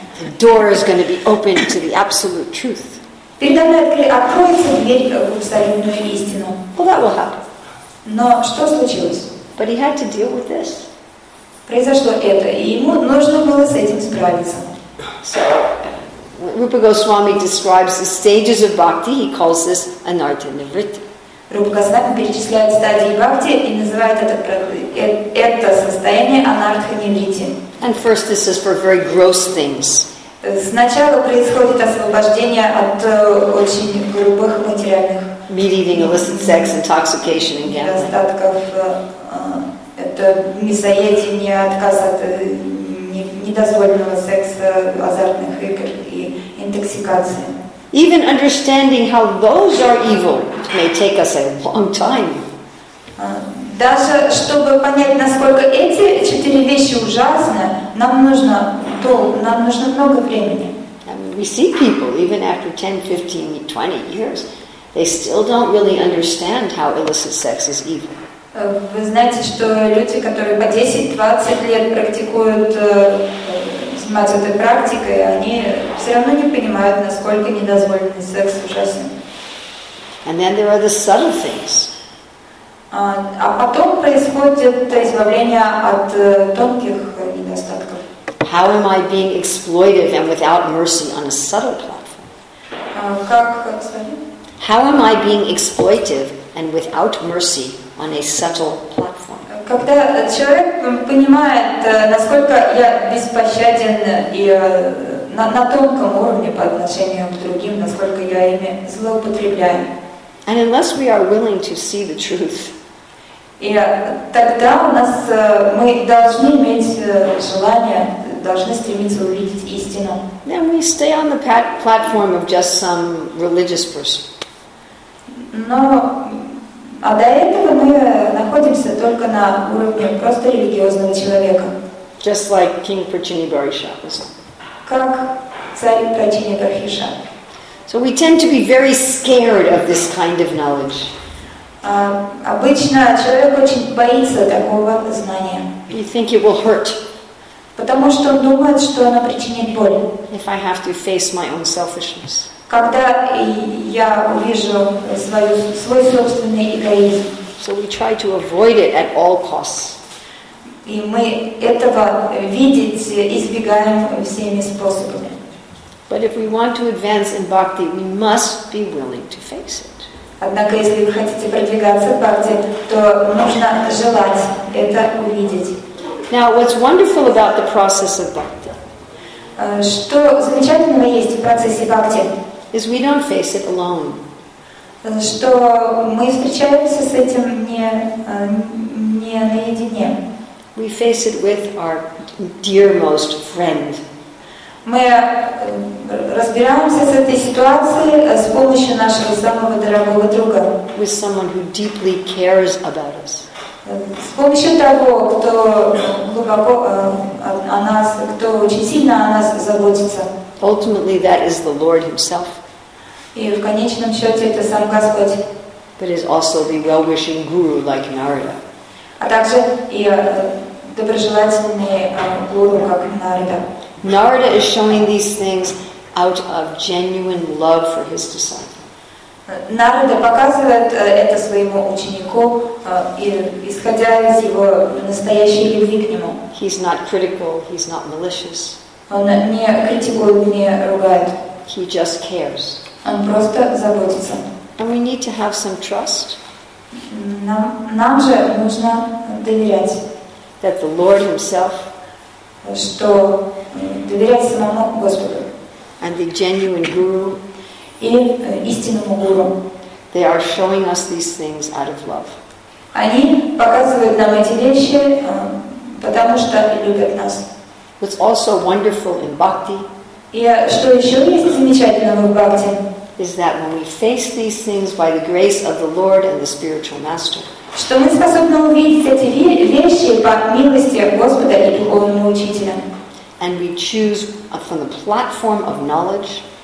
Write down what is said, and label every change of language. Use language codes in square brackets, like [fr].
[en] The door is going to be open to the absolute truth. [ru] Передо мной откроется дверь в абсолютную истину. [en] Well, that will happen. [ru] Но что случилось? [en] But he had to deal with this. [ru] Произошло это, и ему нужно было с этим справиться. [en] So, Rupa Goswami describes the stages of bhakti. He calls this anartha nivritti. [ru] Рупа Госвами перечисляет стадии бхакти и называет это состояние анартха нивритти. [en] And first this is for very gross things. [ru] Сначала происходит освобождение от очень грубых материальных [en] meat-eating, illicit sex, intoxication, and gambling. [ru] Недостатков, это мясоедение, отказ от недозволенного секса, азартных игр и интоксикации. [en] Even understanding how those are evil may take us a long time. [ru] Даже чтобы понять, насколько эти четыре вещи ужасны, нам нужно много времени. [en] I mean, we see people, even after 10, 15, 20 years, they still don't really understand how illicit sex is evil. [ru] Вы знаете, что люди, которые по 10-20 лет практикуют, занимаются этой практикой, они все равно не понимают, насколько недозволенный секс ужасен. [en] And then there are the subtle things. [ru] А потом происходит избавление от тонких недостатков. [en] How am I being exploitive and without mercy on a subtle platform? How am I being exploitive and without mercy on a subtle platform? [ru] Когда человек понимает, насколько я беспощаден и на тонком уровне по отношению к другим, насколько я ими злоупотребляю. [en] And unless we are willing to see the truth. [ru] И тогда у нас мы должны иметь желание, должны стремиться увидеть истину. [en] Then we stay on the platform of just some religious person. [ru] Но а до этого мы находимся только на уровне просто религиозного человека. [en] Just like King Prachini Barishat. [ru] Как царь Прачини Бархиша. [en] So we tend to be very scared of this kind of knowledge. [ru] Обычно человек очень боится такого знания. [en] You think it will hurt. [ru] Потому что он думает, что оно причинит боль. [en] If I have to face my own selfishness. [ru] Когда я увижу свой собственный эгоизм. [en] So we try to avoid it at all costs. [ru] И мы этого видеть избегаем всеми способами. [en] But if we want to advance in bhakti, we must be willing to face it. [ru] Однако, если вы хотите продвигаться в бхакти, то нужно желать это увидеть. [en] Now, what's wonderful about the process of bhakti? [ru] Что замечательного есть в процессе бхакти? [en] Is we don't face it alone. [ru] Что мы встречаемся с этим не наедине. [en] We face it with our dearmost friend. [ru] Мы разбираемся с этой ситуацией с помощью нашего самого дорогого друга. [en] With someone who deeply cares about us. [ru] С помощью того, кто глубоко о нас, кто очень сильно о нас заботится. [en] Ultimately, that is the Lord himself. [ru] И в конечном счете это сам Господь. [en] But is also the well-wishing guru like Narada. [ru] А также и доброжелательный гуру, как Нарада. [en] Narada is showing these things out of genuine love for his disciple. [ru] Народ показывает это своему ученику, исходя из его настоящей любви к нему. [en] He's not critical, he's not malicious. [ru] Он не критикует, не ругает. [en] He just cares. [ru] Он просто заботится. [en] And we need to have some trust. [ru] Нам же нужно доверять. [en] That the Lord himself, [ru] что доверять самому Господу. [en] And the genuine guru, [ru] и истинному гуру. [en] They are showing us these things out of love. [ru] Они показывают нам эти вещи, потому что любят нас. [en] What's also wonderful in bhakti, [ru] и что еще есть замечательного в бхакти, [en] is that when we face these things by the grace of the Lord and the spiritual master, [ru] что мы способны увидеть эти вещи по милости Господа и духовного учителя, [en] and we choose from the platform of knowledge,